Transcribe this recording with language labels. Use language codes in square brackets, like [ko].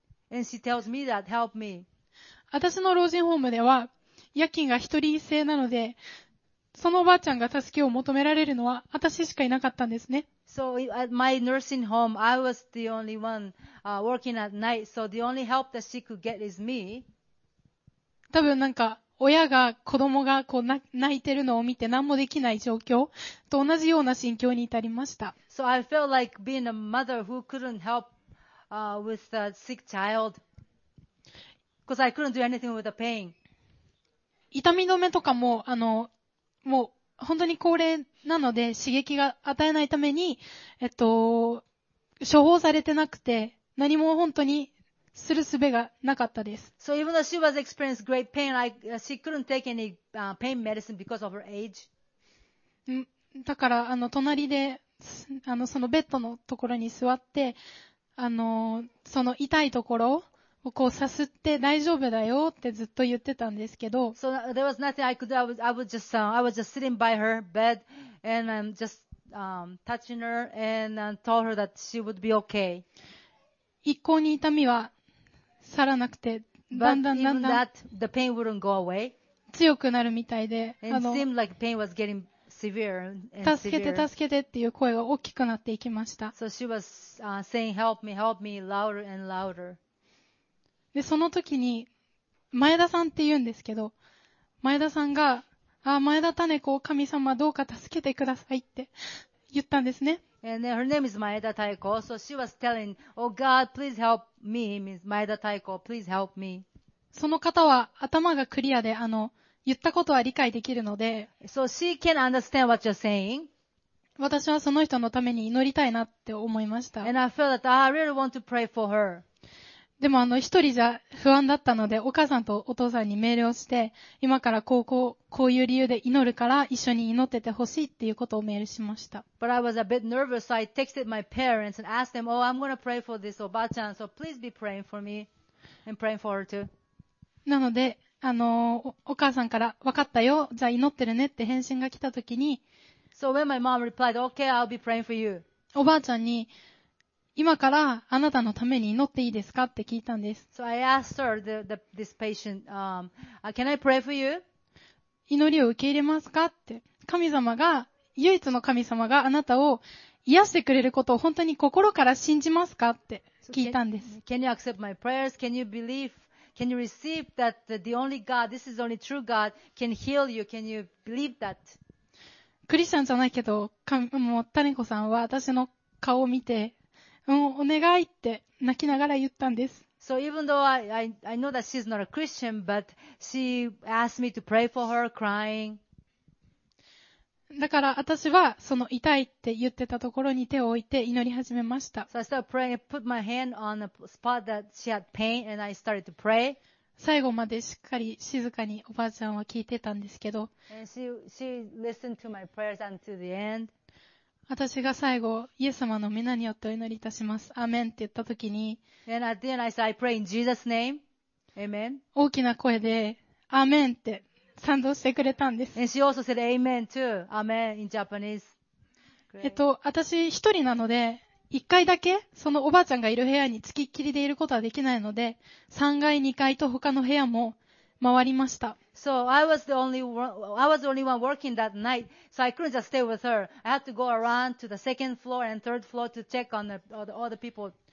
[en] And she tells me that, help me. [ja] 私の老人ホームでは、夜勤が一人制なので、そのおばあちゃんが助けを求められるのは私しかいなかったんですね。 [en] So at my nursing home, I was the only one, working at night, so the only help that she could get is me. [ja] 多分なんか、親が子供がこう泣いてるのを見て何もできない状況と同じような心境に至りました。 [en] So I felt like being a mother who couldn't help, with a sick child. Because I couldn't do anything with the pain. [ja] 痛み止めとかも、もう本当に高齢なので刺激が与えないために、処方されてなくて何も本当にする術がなかったです。 [en] So even though she was experiencing great pain, she couldn't take any pain medicine because of her age. [ja] だから隣でそのベッドのところに座ってその痛いところをこうさすって大丈夫だよってずっと言ってたんですけど。 [en] So there was nothing I could do. I was just sitting by her bed and I'm just touching her and told her that she would be okay. [ja] 一向に痛みは去らなくて、だんだんだんだん。 [en] But even that, the pain wouldn't go away. [ja] 強くなるみたいで。 [en] And it seemed like pain was getting severe and severe. [ja] 助けて助けてっていう声が大きくなっていきました。 [en] So she was saying help me louder and louder. [ja] で、その時に、前田さんって言うんですけど、前田さんが、あ、前田種子、神様どうか助けてくださいって言ったんですね。 [en] And her name is 前田太子, so she was telling, Oh God, please help me, 前田太子, please help me. [ja] その方は頭がクリアで、言ったことは理解できるので、 [en] So she can understand what you're saying. [ja] 私はその人のために祈りたいなって思いました。 [en] And I felt that I really want to pray for her. [ja] でも一人じゃ不安だったので、お母さんとお父さんにメールをして、今からこういう理由で祈るから一緒に祈っててほしいっていうことをメールしました。 [en] But I was a bit nervous, so I texted my parents and asked them, Oh, I'm gonna pray for this oba-chan, so please be praying for me and praying for her too. [ja] なので、お母さんから、わかったよ、じゃあ祈ってるねって返信が来た時に、 [en] So when my mom replied, Okay, I'll be praying for you. [ja] おばあちゃんに、今からあなたのために祈っていいですかって聞いたんです。 [en] So I asked her, this patient, can I pray for you? [ja] 祈りを受け入れますかって。神様が、唯一の神様があなたを癒してくれることを本当に心から信じますかって聞いたんです。 [en] So、can you accept my prayers? Can you believe? Can you receive that the only God, this is only true God, can heal you? Can you believe that? [ja] クリスチャンじゃないけど、もう、タネコさんは私の顔を見て、お願いって泣きながら言ったんです。 [en] So even though I know that she's not a Christian, but she asked me to pray for her crying. [ja] だから私はその痛いって言ってたところに手を置いて祈り始めました。 [en] So I started praying, put my hand on a spot that she had pain and I started to pray. [ja] 最後までしっかり静かにおばあちゃんは聞いてたんですけど。 [en] And she listened to my prayers until the end. [ja] 私が最後、イエス様の皆によってお祈りいたします。アメンって言った時に、 [en] And at the end I said, I pray in Jesus' name. Amen. [ja] 大きな声で、アメンって賛同してくれたんです。 [en] And she also said, Amen too. Amen in Japanese.、 Great. [ja] 私一人なので、一階だけ、そのおばあちゃんがいる部屋に付きっきりでいることはできないので、3階、2階と他の部屋も回りました。 [en] So I was the only one working that night. So I couldn't just stay with her. I had to go around to the second floor and third floor to check on the other people.